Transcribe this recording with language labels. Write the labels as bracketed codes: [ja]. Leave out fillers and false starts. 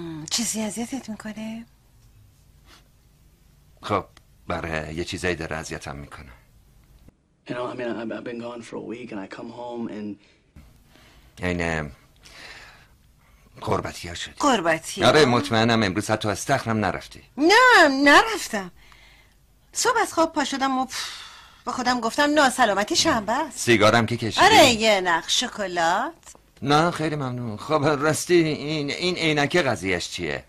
[fa] چیزی اذیتت میکنه؟ خب برای یه چیزایی داره اذیتم میکنه. [en] You know, I mean, I've been gone for a week and I come home and... [fa] اینه... قربتی ها شدی. قربتی ها؟ آره مطمئنم امروز حتی از استخرم نرفتی. نه، نرفتم. صبح از خواب پاشدم و با خودم گفتم ناسلامتی شنبه است. سیگارم که کشیدی؟ آره یه نخ شکلات. نه خیلی ممنون. خب راستی این عینکه قضیهش چیه؟